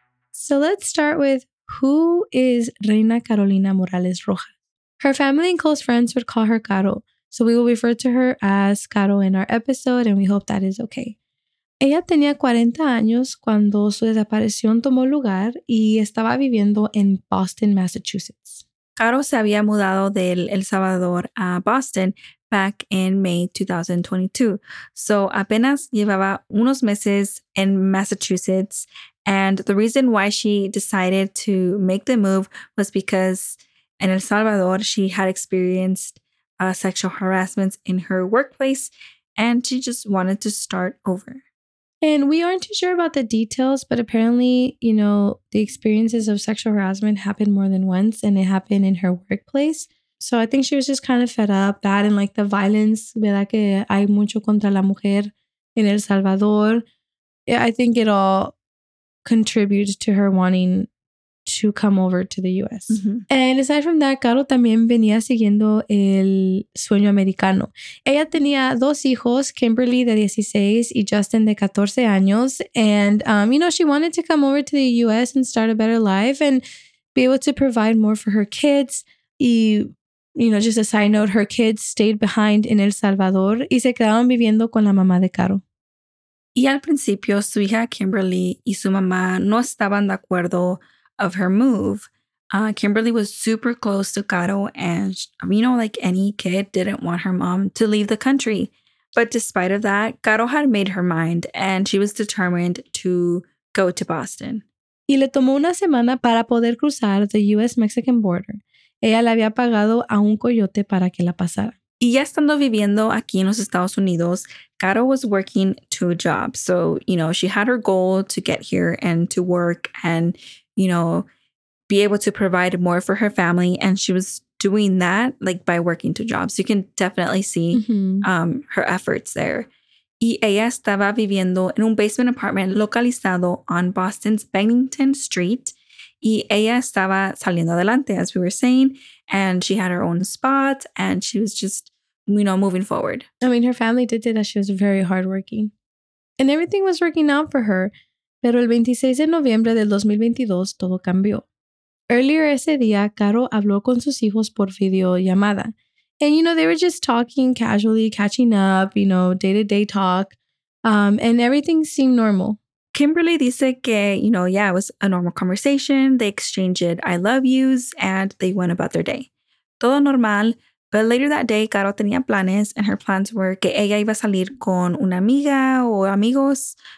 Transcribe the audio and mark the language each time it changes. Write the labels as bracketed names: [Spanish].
[English] So let's start with, who is Reina Carolina Morales Rojas? Her family and close friends would call her Caro, so we will refer to her as Caro in our episode, and we hope that is okay. [Spanish] Ella tenía 40 años cuando su desaparición tomó lugar y estaba viviendo en Boston, Massachusetts. Caro se había mudado de El Salvador a Boston [English] back in May 2022. [Spanish] So apenas llevaba unos meses en Massachusetts. [English] And the reason why she decided to make the move was because in El Salvador, she had experienced sexual harassment in her workplace and she just wanted to start over. And we aren't too sure about the details, but apparently, you know, the experiences of sexual harassment happened more than once, and it happened in her workplace. So I think she was just kind of fed up that and like the violence, [Spanish] ¿verdad? Que hay mucho contra la mujer en El Salvador. [English] Yeah, I think it all contributes to her wanting to come over to the U.S. Mm-hmm. And aside from that, [Spanish] Caro también venía siguiendo el sueño americano. Ella tenía dos hijos, Kimberly de 16 y Justin de 14 años. [English] And, you know, she wanted to come over to the U.S. and start a better life and be able to provide more for her kids. Y, you know, just a side note, her kids stayed behind in El Salvador [Spanish] y se quedaron viviendo con la mamá de Caro. Y al principio, su hija Kimberly y su mamá no estaban de acuerdo [English] of her move. Kimberly was super close to Caro, and she, you know, like any kid, didn't want her mom to leave the country. But despite of that, Caro had made her mind and she was determined to go to Boston. [Spanish] Y le tomó una semana para poder cruzar [English] the U.S.-Mexican border. [Spanish] Ella le había pagado a un coyote para que la pasara. Y ya estando viviendo aquí en los Estados Unidos, Caro [English] was working two jobs. So, you know, she had her goal to get here and to work and, you know, be able to provide more for her family. And she was doing that, like, by working two jobs. You can definitely see her efforts there. [Spanish] Y ella estaba viviendo en un [English] basement apartment [Spanish] localizado [English] on Boston's Bennington Street. [Spanish] Y ella estaba saliendo adelante, [English] as we were saying. And she had her own spot. And she was just, you know, moving forward. I mean, her family did say that she was very hardworking. And everything was working out for her. [Spanish] Pero el 26 de noviembre del 2022, todo cambió. [English] Earlier [Spanish] ese día, Caro habló con sus hijos por videollamada. [English] And, you know, they were just talking casually, catching up, you know, day-to-day talk. And everything seemed normal. Kimberly [Spanish] dice que, [English] you know, yeah, it was a normal conversation. They exchanged I love yous and they went about their day. [Spanish] Todo normal. [English] But later that day, [Spanish] Caro tenía planes [English] and her plans were [Spanish] que ella iba a salir con una amiga o amigos.